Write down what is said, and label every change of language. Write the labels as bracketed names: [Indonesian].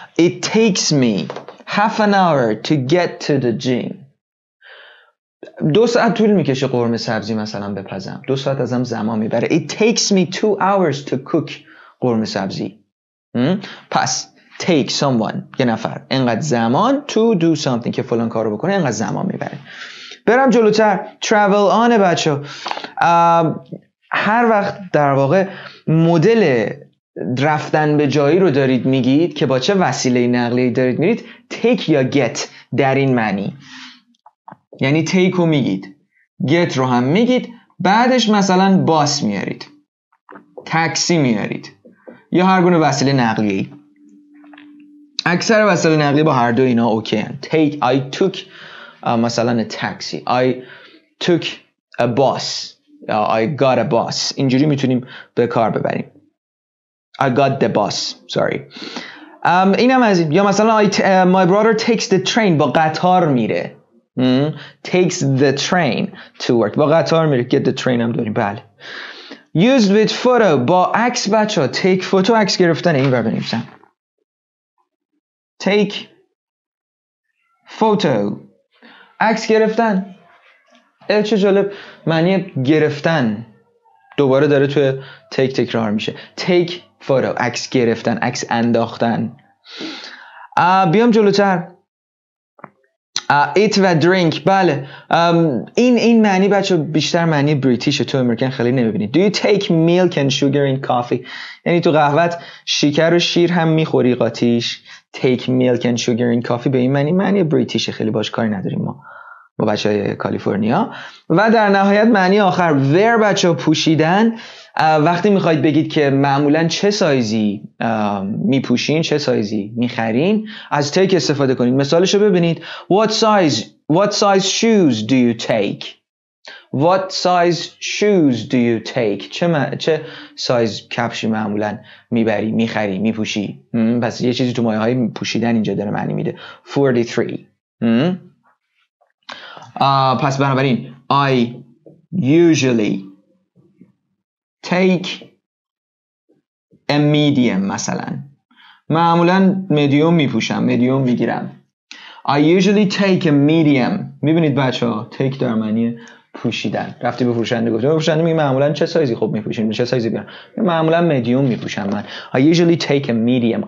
[English] It takes me half an hour to get to the gym. [Persian] دو ساعت طول میکشه قرمه سبزی مثلا بپزم. دو ساعت ازم زمان میبره. [English] It takes me two hours to cook قرمه سبزی. [Persian] پس [English] take someone [Persian] یه نفر انقدر زمان [English] to do something [Persian] که فلان کار رو بکنه انقدر زمان میبره. برم جلوتر. [English] travel on بچه. [Persian] هر وقت در واقع مدل رفتن به جایی رو دارید میگید که با چه وسیله نقلیه دارید میرید، take یا get در این معنی. یعنی take رو میگید، get رو هم میگید، بعدش مثلا باس میارید، تاکسی میارید یا هر گونه وسیله نقلیه. اکثر وسیله نقلیه با هر دو اینا اوکی هست. [English] take I took مثلا a taxi. I took a bus. I got a bus. [Persian] اینجوری میتونیم به کار ببریم. [English] I got the bus. Sorry. [Persian] اینم از این. یا مثلا [English] my brother takes the train. [Persian] با قطار میره. [English] takes the train to work. [Persian] با قطار میره. [English] Get the train [Persian] هم داریم. بله. [English] Used with photo. [Persian] با عکس بچه ها. [English] Take photo. [Persian] عکس گرفتن. این بر بنویسم. [English] Take photo. [Persian] عکس گرفتن. چه جالب. معنی گرفتن. دوباره داره توی take تکرار میشه. [English] Take photo. [Persian] عکس گرفتن. عکس انداختن. بیام جلوتر. Eat و drink. بله. این معنی بچه بیشتر معنی بریتیشه. تو امریکن خیلی نمیبینی. [English] Do you take milk and sugar in coffee؟ [Persian] یعنی تو قهوت شکر و شیر هم میخوری قاطیش. [English] Take milk and sugar in coffee [Persian] به این معنی معنی بریتیشه. خیلی باش کاری نداریم ما. با بچه های کالیفرنیا. و در نهایت معنی آخر. Wear بچه پوشیدن. وقتی میخواید بگید که معمولا چه سایزی میپوشین، چه سایزی میخرین، از take استفاده کنید. مثالشو ببینید. [English] What size shoes do you take? What size shoes do you take? [Persian] چه سایز کفشی معمولا میبری، میخری، میپوشی؟ پس یه چیزی تو مایه های پوشیدن اینجا داره معنی میده. 43. پس بنابراین [English] I usually take a medium مثلا. [Persian] معمولا medium میپوشم، medium میگیرم. [English] I usually take a medium. [Persian] میبینید بچه ها take در معنی پوشیدن. رفتی به فروشنده گفتی، فروشنده میگه معمولا چه سایزی خوب میپوشین، چه سایزی بیارم. معمولا medium میپوشم من. [English] I usually take a medium.